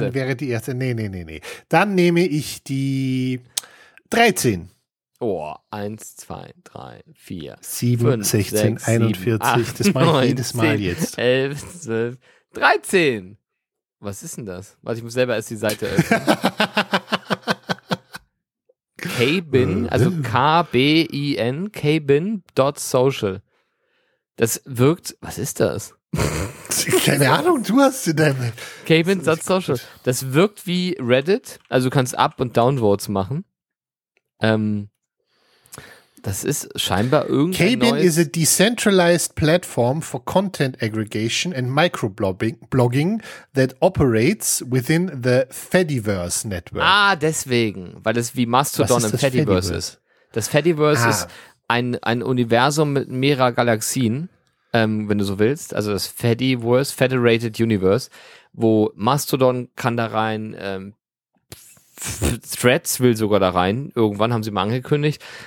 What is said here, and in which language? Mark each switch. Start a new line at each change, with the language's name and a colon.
German: Dann wäre die erste. Nee. Dann nehme ich die 13. Oh, 1, 2, 3, 4, 7, 5, 16, 6, 41. 7, 8, das mache ich 9, jedes Mal 10, jetzt. 11, 12, 13. Was ist denn das? Warte, ich muss selber erst die Seite öffnen. Kbin, also K-B-I-N, kbin.social. Das wirkt, was ist das? Keine Ahnung, du hast sie denn. Kbin.social. Das wirkt wie Reddit, also du kannst Up- und Downvotes machen. Das ist scheinbar irgendein KBIN neues...
English: KBIN is a decentralized platform for content aggregation and microblogging that operates within the Fediverse network.
German: Ah, deswegen, weil es wie Mastodon im Fediverse ist. Das Fediverse ist ein Universum mit mehrerer Galaxien, wenn du so willst, also das Fediverse, Federated Universe, wo Mastodon kann da rein, Threads will sogar da rein, irgendwann haben sie mal angekündigt.